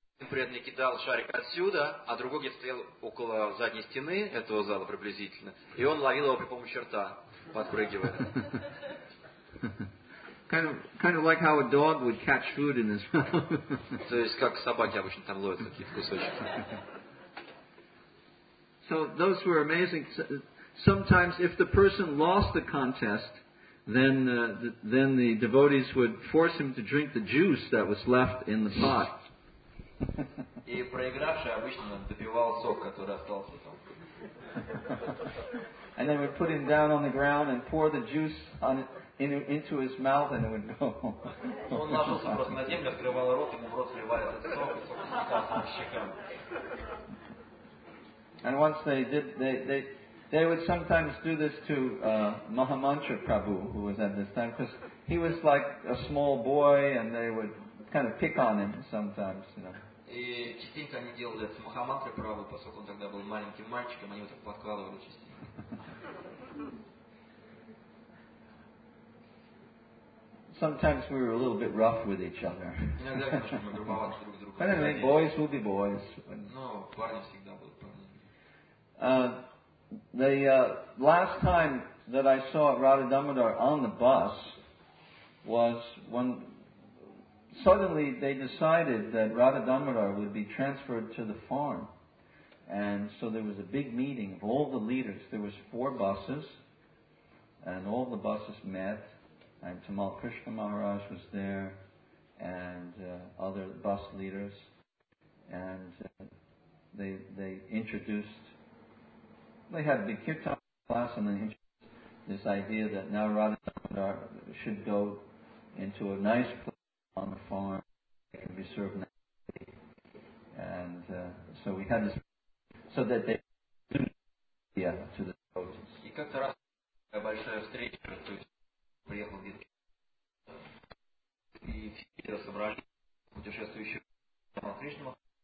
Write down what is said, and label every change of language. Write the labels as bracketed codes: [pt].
[ru] Преданный кидал шарик отсюда, а другой где-то стоял около задней стены этого зала приблизительно, и он ловил его при помощи рта, подпрыгивая. [en] Kind of like how a dog would catch food in his mouth. [ru] То есть как собаки обычно там ловят какие-то кусочки. [en] So those were amazing. Sometimes if the person lost the contest, then the devotees would force him to drink the juice that was left in the pot. [ru] И проигравший обычно допивал сок, который остался там. [en] And they would put him down on the ground and pour the juice on it into his mouth and it would go. [ru] Он ложился просто на землю, открывал рот, ему в рот сливали этот сок, и сок стекался по щекам. [en] And once they did, they would sometimes do this to Mahamantra Prabhu, who was at this time, because he was like a small boy, and they would kind of pick on him sometimes, you know. [ru] И частенько они делали это с Мухаммадой Прабху, поскольку он тогда был маленьким мальчиком, они вот так подкладывали частенько. [en] Sometimes we were a little bit rough with each other. [ru] Иногда, конечно, мы грубоваты друг другу. [en] But anyway, boys will be boys. [ru] Но парни всегда будут парни. [en] The last time that I saw Radha Damodar on the bus was when suddenly they decided that Radha Damodar would be transferred to the farm. And so there was a big meeting of all the leaders. There was 4 buses, and all the buses met, and Tamal Krishna Maharaj was there, and other bus leaders. And they introduced, they had a big kirtan class, and they introduced this idea that now Radha Damodar should go into a nice place on the farm, they can be served naturally. And so we had this, so that they could do to the devotees. [ru] И как-то раз большая встреча, то есть приехал где-то, и все собрали путешествующих на Кришну.